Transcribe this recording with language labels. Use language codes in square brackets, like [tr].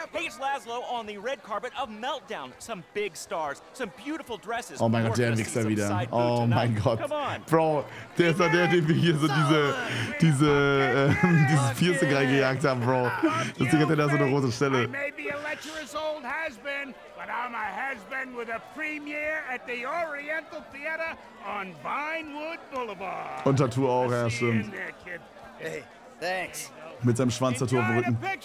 [en] Hey, it's Laszlo on the red carpet of Meltdown. Some big stars, some beautiful dresses. [de] Oh mein Gott, der Mixer wieder. Oh tonight. Mein Gott. Bro, der ist doch der, den wir hier so dieses Piercing reingejagt haben, Bro. Das Ding hat ja da so eine rote Stelle. [en] I may be a lecherous old has-been, but I'm a has-been with a premiere at the Oriental Theater on Vinewood Boulevard. [de] Und Tattoo auch, ja, stimmt. [en] Hey, thanks. [de] Mit seinem Schwanztattoo auf dem Rücken.